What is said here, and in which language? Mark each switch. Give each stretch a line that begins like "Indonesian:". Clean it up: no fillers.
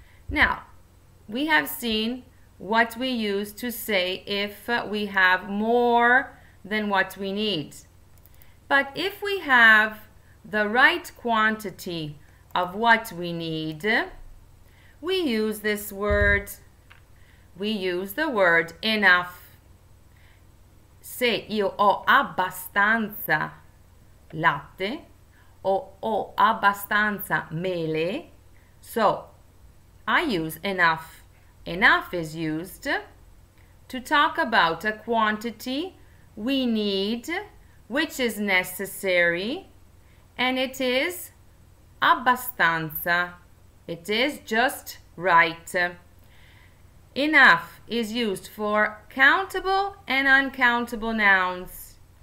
English: Now, we have seen what we use to say if we have more than what we need. But if we have the right quantity of what we need, we use this word. We use the word enough.
Italian: Se io ho abbastanza latte o ho abbastanza mele,
English: so I use enough. Enough is used to talk about a quantity we need, which is necessary, and it is abbastanza. It is just right. Enough is used for countable and uncountable nouns.